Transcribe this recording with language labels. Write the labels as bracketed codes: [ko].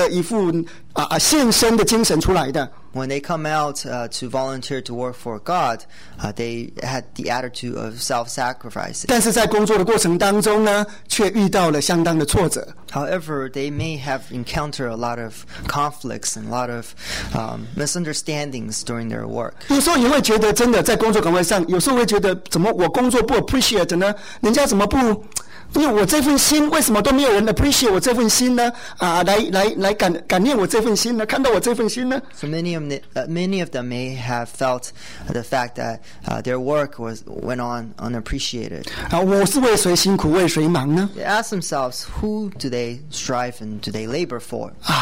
[zh] 他们出来为教会工作的时候都是抱着一副献身的精神出来的。 [en] When they come out to volunteer to work for God, they had the attitude of self-sacrifice. [zh] 但是在工作的过程当中呢，却遇到了相当的挫折。 [en] However, they may have encountered a lot of conflicts and a lot of misunderstandings during their work. [zh] 有时候你会觉得真的在工作岗位上，有时候会觉得怎么我工作不 appreciate 呢？人家怎么不？因为我这份心，为什么都没有人 appreciate 我这份心呢？来感念我这份心呢？看到我这份心呢？ [en] So many of them may have felt the fact that their work went on unappreciated. [zh] 我是为谁辛苦，为谁忙呢？ [en] They ask themselves, who do they strive and do they labor for?